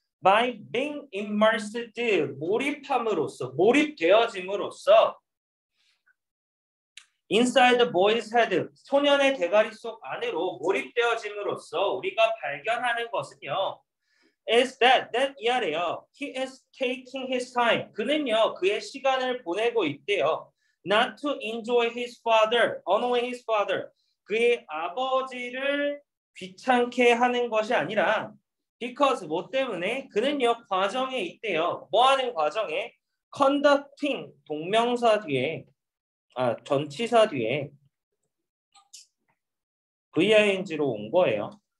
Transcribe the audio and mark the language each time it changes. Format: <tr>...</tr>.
<en>By being immersed,</en> <ko>몰입함으로써, 몰입되어짐으로써,</ko> <en>inside the boy's head,</en> <ko>소년의 대가리 속 안으로 몰입되어짐으로써 우리가 발견하는 것은요,</ko> <en>is that</en> <ko>that이야래요.</ko> <en>He is taking his time.</en> <ko>그는요, 그의 시간을 보내고 있대요.</ko> <en>Not to enjoy his father, annoy his father.</en> <ko>그의 아버지를 귀찮게 하는 것이 아니라. Because 뭐 때문에? 그는요, 과정에 있대요. 뭐 하는 과정에? conducting, 동명사 뒤에, 전치사 뒤에, ving로 온 거예요.</ko>